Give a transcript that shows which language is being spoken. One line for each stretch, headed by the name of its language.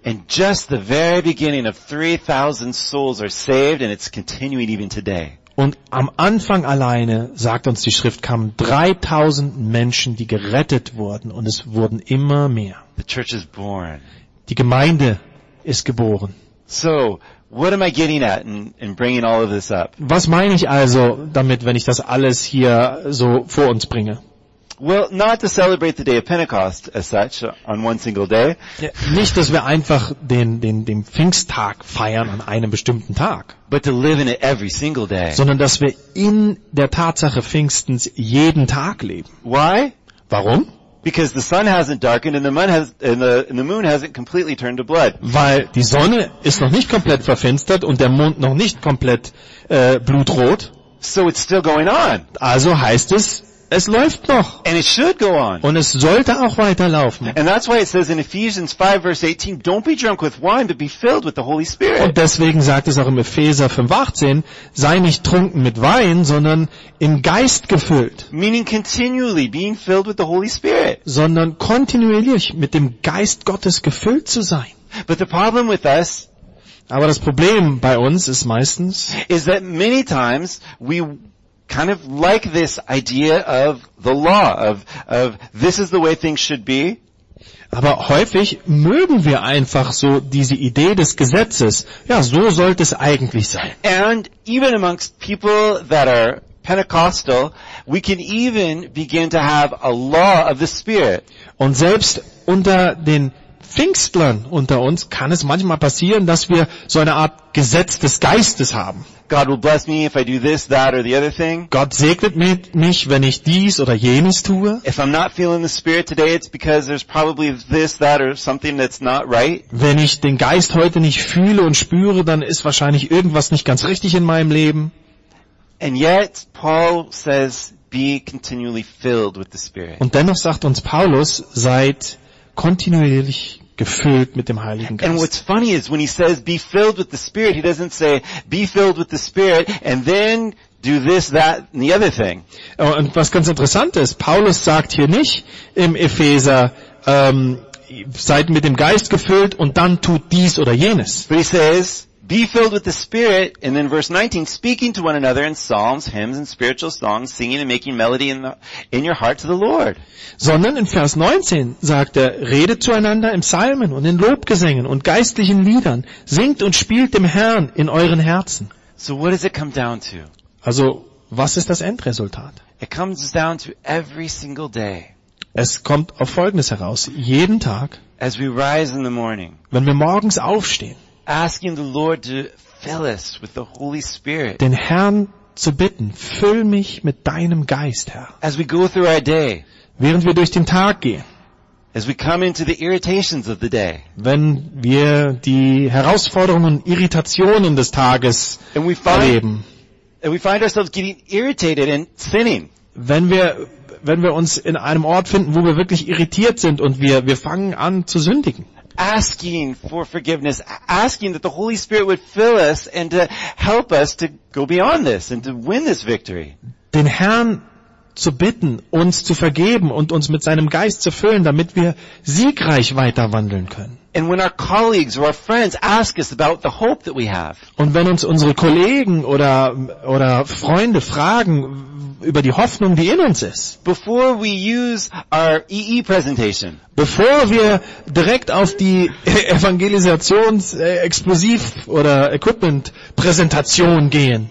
English: And just the very beginning of 3,000 souls are saved, and it's continuing even today.
German: Und am Anfang alleine, sagt uns die Schrift, kamen 3,000 Menschen, die gerettet wurden, und es wurden immer mehr.
English: The church is born.
German: Die Gemeinde ist geboren.
English: So, what am I getting at in bringing all of this up?
German: Was meine ich also damit, wenn ich das alles hier so vor uns bringe?
English: Well, not to celebrate the day of Pentecost as such on one single day.
German: Ja, nicht, dass wir einfach den Pfingsttag feiern an einem bestimmten Tag.
English: But to live in it every single day.
German: Sondern dass wir in der Tatsache Pfingstens jeden Tag leben.
English: Why?
German: Warum?
English: Because the sun hasn't darkened and the moon hasn't completely turned to blood.
German: Weil die Sonne ist noch nicht komplett verfinstert und der Mond noch nicht komplett blutrot.
English: So it's still going on.
German: Also heißt es, es läuft noch.
English: And it should go on.
German: Und es sollte auch weiterlaufen.
English: And that's why it says in Ephesians 5 verse 18, don't be drunk with wine, but be filled with the Holy Spirit.
German: Und deswegen sagt es auch im Epheser 5:18, sei nicht trunken mit Wein, sondern im Geist gefüllt.
English: Meaning continually being filled with the Holy Spirit.
German: Sondern kontinuierlich mit dem Geist Gottes gefüllt zu sein.
English: But the problem with us,
German: aber das Problem bei uns ist meistens,
English: is that many times we kind of like this idea of the law of this is the way things should be.
German: Aber häufig mögen wir einfach so diese Idee des Gesetzes. Ja, so sollte es eigentlich sein.
English: And even amongst people that are Pentecostal, we can even begin to have a law of the Spirit.
German: Und selbst unter den Pfingstlern unter uns kann es manchmal passieren, dass wir so eine Art Gesetz des Geistes haben.
English: God will bless me if I do this, that or the other thing.
German: Gott segnet mich, wenn ich dies oder jenes tue.
English: If I'm not feeling the Spirit today, it's because there's probably this, that or something that's not right.
German: Wenn ich den Geist heute nicht fühle und spüre, dann ist wahrscheinlich irgendwas nicht ganz richtig in meinem Leben.
English: And yet Paul says, be continually filled with the Spirit.
German: Und dennoch sagt uns Paulus, seid kontinuierlich gefüllt mit dem Heiligen Geist.
English: And what's funny is when he says be filled with the Spirit, he doesn't say be filled with the Spirit and then do this, that and the other thing.
German: Und was ganz interessant ist, Paulus sagt hier nicht im Epheser seid mit dem Geist gefüllt und dann tut dies oder jenes.
English: But he says be filled with the Spirit and then verse 19 speaking to one another in psalms, hymns and spiritual songs, singing and making melody in your heart to the Lord.
German: Sondern in Vers 19 sagt er, redet zueinander im Psalmen und in Lobgesängen und geistlichen Liedern, singt und spielt dem Herrn in euren Herzen.
English: So what does it come down to?
German: Also, was ist das Endresultat?
English: It comes down to every single day.
German: Es kommt auf Folgendes heraus, jeden Tag,
English: as we rise in the morning,
German: wenn wir morgens aufstehen,
English: asking the Lord to fill us with the Holy Spirit.
German: Den Herrn zu bitten, füll mich mit deinem Geist, Herr.
English: As we go through our day.
German: Während wir durch den Tag gehen.
English: As we come into the irritations of the day.
German: Wenn wir die Herausforderungen und Irritationen des Tages erleben.
English: And we find ourselves getting irritated and sinning.
German: Wenn wir uns in einem Ort finden, wo wir wirklich irritiert sind und wir fangen an zu sündigen.
English: Asking for forgiveness, asking that the Holy Spirit would fill us and to help us to go beyond this and to win this victory.
German: Den Herrn zu bitten, uns zu vergeben und uns mit seinem Geist zu füllen, damit wir siegreich weiter wandeln können.
English: And when our colleagues or our friends ask us about the hope that we have.
German: Und wenn uns unsere Kollegen oder Freunde fragen über die Hoffnung, die in uns ist.
English: Before we use our EE presentation.
German: Bevor wir direkt auf die Evangelisations-Explosiv- oder Equipment-Präsentation gehen.